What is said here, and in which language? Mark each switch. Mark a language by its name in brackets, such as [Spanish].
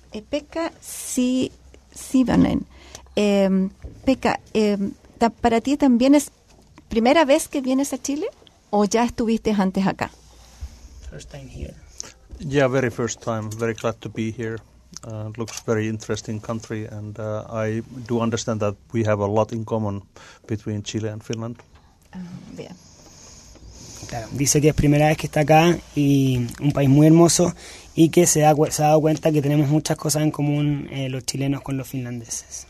[Spanish] Pekka Sivonen, Pekka, para ti también es primera vez que vienes a Chile o ya estuviste antes acá? [English] First time here. Yeah, very first time. Very glad to be here. Looks very interesting country, and I do understand that we have a lot in common between Chile and Finland. [Spanish] Bien. Claro, dice que es primera vez que está acá y un país muy hermoso y que se ha dado cuenta que tenemos muchas cosas en común los chilenos con los finlandeses.